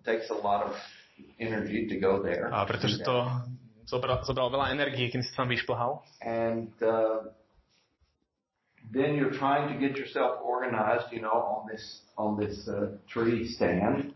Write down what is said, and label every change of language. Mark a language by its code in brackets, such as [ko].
[en] Takes a lot of energy to go there. [sk] A pretože to zobralo veľa energie, kým si tam vyšplhal. [en] And then you're trying to get yourself organized, you know, on this tree stand.